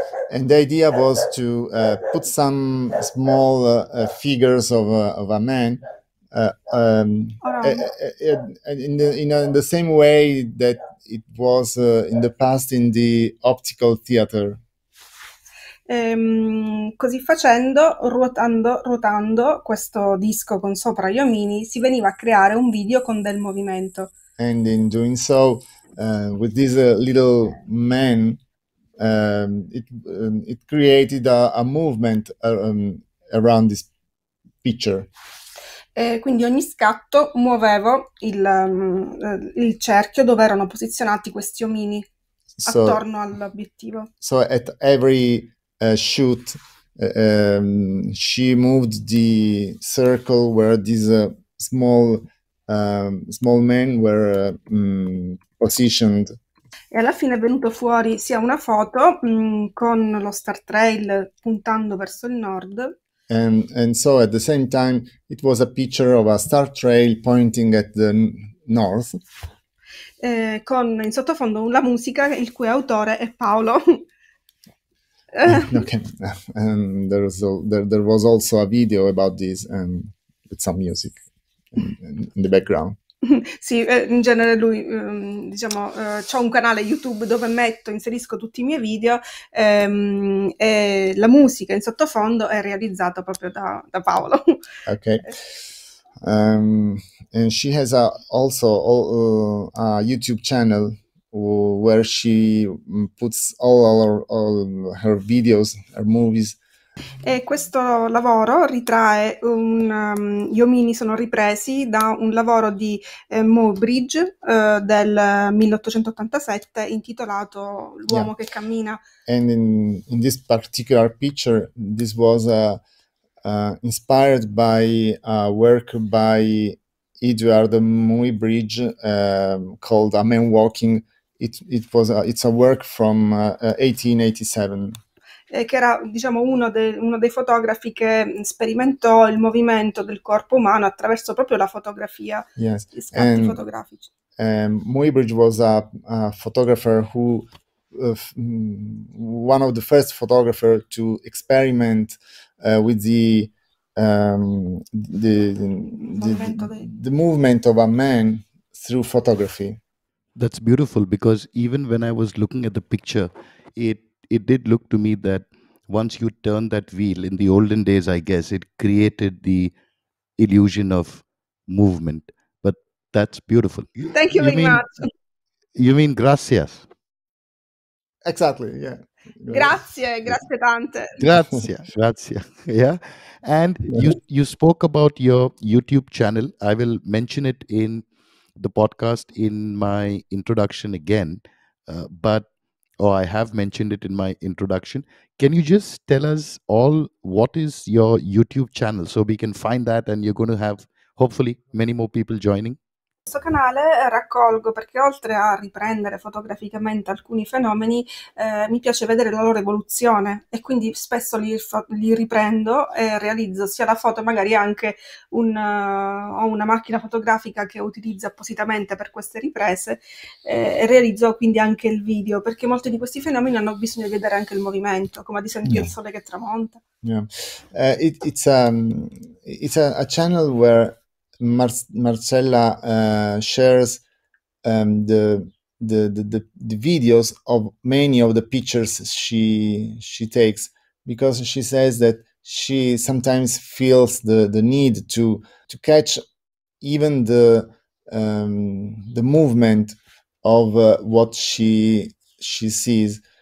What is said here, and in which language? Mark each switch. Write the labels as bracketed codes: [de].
[en] And the idea was to put some small figures of a man in the same way that it was in the past in the optical theater. [it] Così facendo, ruotando questo disco con sopra gli omini, si veniva a creare un video con del movimento. [en] And in doing so, with this little man, it created a movement around this picture. [it] Quindi ogni scatto muovevo il cerchio dove erano posizionati questi omini attorno all'obiettivo. [en] So at every shoot she moved the circle where these small men were positioned. [it] E alla fine è venuto fuori sia una foto con lo Star Trail puntando verso il nord. [en] And so at the same time it was a picture of a star trail pointing at the north. [it] Con in sottofondo la musica il cui autore è Paolo. [en] Okay. And there was also a video about this and with some music in the background. [it] Sì, in genere lui, diciamo, c'ho un canale YouTube dove inserisco tutti i miei video e la musica in sottofondo è realizzata proprio da Paolo. [en] Okay. And she has a YouTube channel where she puts all her videos, her movies. [it] E questo lavoro ritrae gli omini sono ripresi da un lavoro di Mowbridge del 1887 intitolato L'uomo che cammina. [en] And in this particular picture, this was inspired by a work by Edward Mowbridge called A Man Walking. It's a work from 1887. [it] Che era, diciamo, uno dei fotografi che sperimentò il movimento del corpo umano attraverso proprio la fotografia, [en] yes, [it] gli scatti [en] and, [it] fotografici. [en] Mowbridge was a photographer who one of the first photographer to experiment with the movement of a man through photography. That's beautiful, because even when I was looking at the picture, it did look to me that once you turn that wheel, in the olden days, I guess, it created the illusion of movement. But that's beautiful. Thank you very much. You mean gracias? Exactly, yeah. [it] Grazie tante. [en] Grazie, yeah. And you spoke about your YouTube channel. I will mention it in the podcast in my introduction again. Oh, I have mentioned it in my introduction. Can you just tell us all what is your YouTube channel so we can find that, and you're going to have hopefully many more people joining? [it] questo canale raccolgo, perché oltre a riprendere fotograficamente alcuni fenomeni, mi piace vedere la loro evoluzione e quindi spesso li riprendo e realizzo sia la foto, magari anche ho una macchina fotografica che utilizzo appositamente per queste riprese, e realizzo quindi anche il video, perché molti di questi fenomeni hanno bisogno di vedere anche il movimento, come ad esempio il sole che tramonta. [en] It's a channel where Marcella shares the videos of many of the pictures she takes, because she says that she sometimes feels the need to catch even the movement of what she sees.